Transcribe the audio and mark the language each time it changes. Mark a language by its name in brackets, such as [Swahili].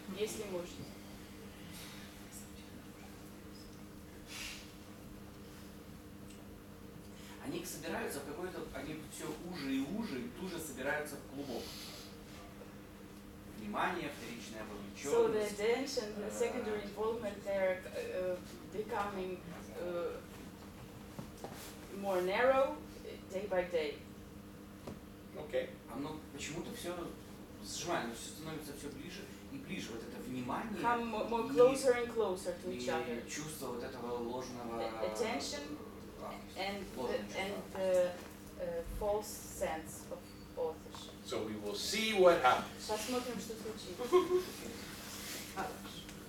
[Russian] Если можете. Они собираются в какой-то, они все уже и уже, и тут же собираются в клубок. Внимание, вторичная вовлеченность. [English] So the attention, the secondary involvement, they're becoming more narrow day by day. Okay. [Russian] А ну почему-то все сжимается, все становится все ближе и ближе, вот это внимание. [English] Come more closer and closer to each other. [Russian] И чувство вот этого ложного. [English] Attention. And the false sense of authorship. So we will see what happens. [Russian] Посмотрим, что случится.